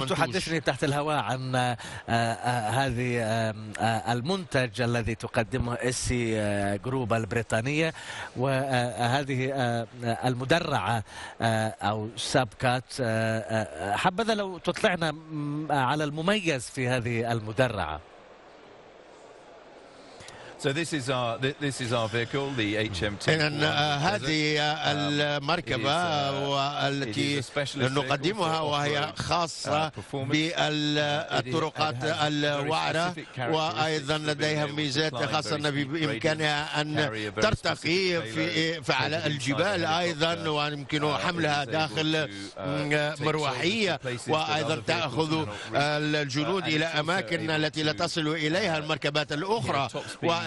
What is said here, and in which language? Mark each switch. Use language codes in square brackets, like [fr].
[ar] كنت تحدثني تحت الهواء عن هذه المنتج الذي تقدمه إسي جروب البريطانية وهذه المدرعة أو سابكات حبذا لو تطلعنا على المميز في هذه المدرعة. [en] So this is our vehicle, the HMT. [ar] إن هذه المركبة والتي نقدمها وهي خاصة بالطرقات الوعرة وأيضا لديها ميزات خاصة بإمكانها أن ترتقي على الجبال أيضا ويمكن حملها داخل مروحية وأيضا تأخذ الجنود إلى أماكن التي لا تصل إليها المركبات الأخرى و.